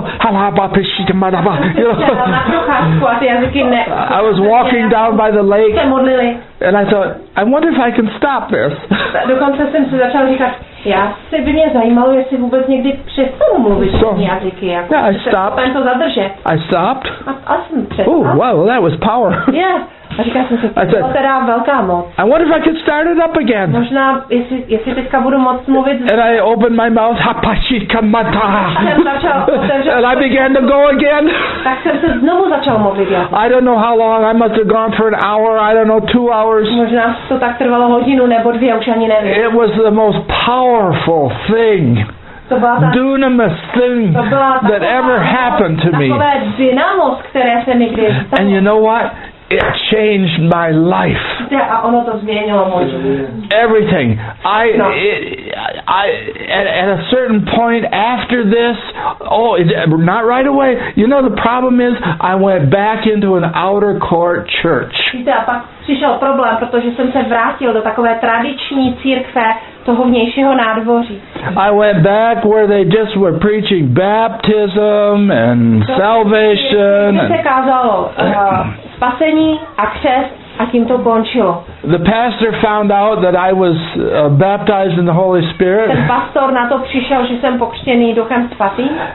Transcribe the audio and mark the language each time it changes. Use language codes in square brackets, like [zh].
[en] I was walking down by the lake and I thought, I wonder if I can stop this. I stopped. Oh, wow, well, that was power. Yeah. [cs] A říkal jsem si, to teda velká moc. [en] I wonder if I could start it up again. [cs] Možná, jestli teďka budu moct mluvit. [en] And I opened my mouth, hapašikamata. And I began to go again. [cs] Tak jsem se znovu začal mluvit. [en] I don't know how long, I must have gone for an hour, I don't know, 2 hours. [cs] Možná to tak trvalo hodinu nebo dvě, už ani nevím. [en] It was the most powerful thing. Dunamis thing that ever happened to me. [cs] Takové dynamos, které se nikdy stalo. [en] And you know what? It changed my life. [cs] A ono to změnilo můj život. [en] Everything. At a certain point after this, not right away. You know the problem is I went back into an outer court church. [cs] Víte, a pak přišel problém, protože jsem se vrátil do takové tradiční církve toho vnějšího nádvoří. [en] I went back where they just were preaching baptism and salvation. [cs] Kde se kázalo spasení a křest a tím to končilo. [en] The pastor found out that I was baptized in the Holy Spirit. [cs] Ten pastor na to přišel, že jsem pokřtěný Duchem Svatým.